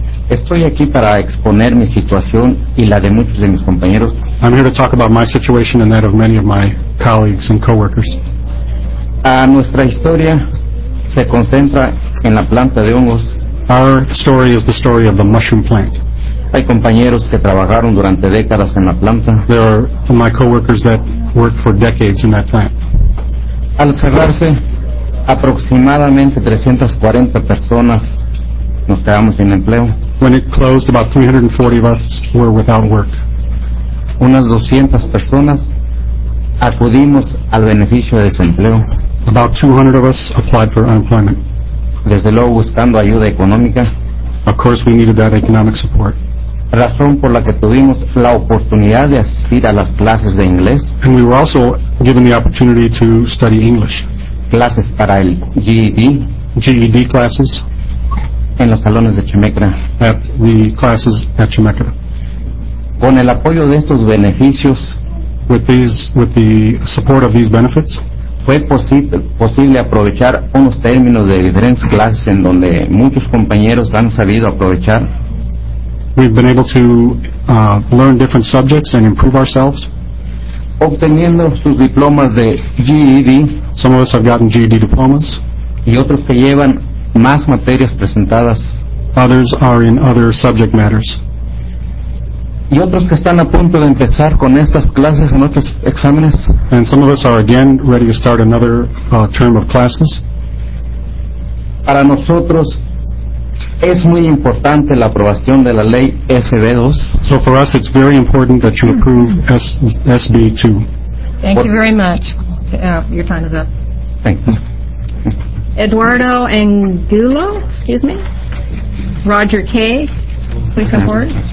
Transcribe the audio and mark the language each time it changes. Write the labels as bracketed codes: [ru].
[es] Estoy aquí para exponer mi situación y la de muchos de mis compañeros. [en] I'm here to talk about my situation and that of many of my colleagues and coworkers. [es] A nuestra historia se concentra en la planta de hongos. [en] Our story is the story of the mushroom plant. [es] Hay compañeros que trabajaron durante décadas en la planta. [en] There are my coworkers that worked for decades in that plant. [es] Al cerrarse, aproximadamente 340 personas nos quedamos sin empleo. [en] When it closed, about 340 of us were without work. [es] Unas 200 personas acudimos al beneficio de desempleo. [en] About 200 of us applied for unemployment. [es] Desde luego buscando ayuda económica. [en] Of course we needed that economic support. [es] Razón por la que tuvimos la oportunidad de asistir a las clases de inglés. [en] And we were also given the opportunity to study English. [es] Clases para el GED. [en] GED classes. [es] En los salones de Chemecra. [en] At the classes at Chemecra. [es] Con el apoyo de estos beneficios. [en] With the support of these benefits. [es] Fue posible aprovechar unos términos de diferentes clases en donde muchos compañeros han sabido aprovechar. [en] We've been able to learn different subjects and improve ourselves. [es] Obteniendo sus diplomas de GED. [en] Some of us have gotten GED diplomas. [es] Y otros que llevan más materias presentadas. [en] Others are in other subject matters. [es] Y otros que están a punto de empezar con estas clases en otros exámenes. [en] And some of us are again ready to start another term of classes. [es] Para nosotros es muy importante la aprobación de la ley SB2. [en] So for us it's very important that you approve SB2. Thank you very much. Your time is up. Thank you. Eduardo Angulo, excuse me. Roger K, please come forward.